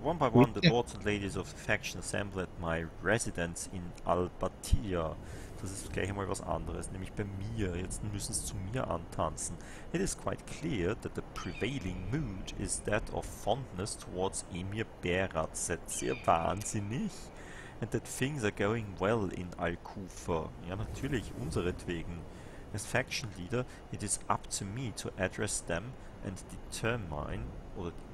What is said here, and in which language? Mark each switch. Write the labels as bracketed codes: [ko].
[en] One by one, the lords and ladies of the faction assemble at my residence in Albatia. [de] Das ist gleich einmal was anderes, nämlich bei mir. Jetzt müssen sie zu mir antanzen. [en] It is quite clear that the prevailing mood is that of fondness towards Emir Berat. [de] Seid ihr wahnsinnig? [en] And that things are going well in Al-Kufa. [de] Ja, natürlich, unseretwegen. [en] As faction leader, it is up to me to address them and determine, [de] oder